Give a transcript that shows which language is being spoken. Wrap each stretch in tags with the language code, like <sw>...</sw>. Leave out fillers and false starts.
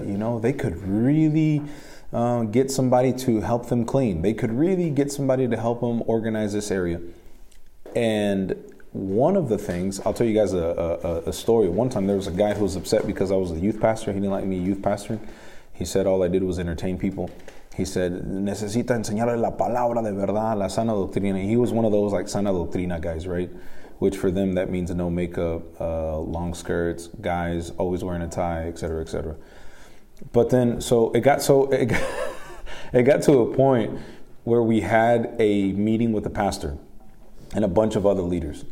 <en>You know, they could really get somebody to help them clean. They could really get somebody to help them organize this area. And one of the things, I'll tell you guys a story. One time there was a guy who was upset because I was a youth pastor. He didn't like me youth pastoring. He said all I did was entertain people.</en> <es>He said, necesita enseñarle la palabra de verdad, la sana doctrina.</es> <en>He was one of those like sana doctrina guys, right? Which for them, that means no makeup, long skirts, guys always wearing a tie, et cetera, et cetera. But then, so it got to a point where we had a meeting with the pastor and a bunch of other leaders.</en>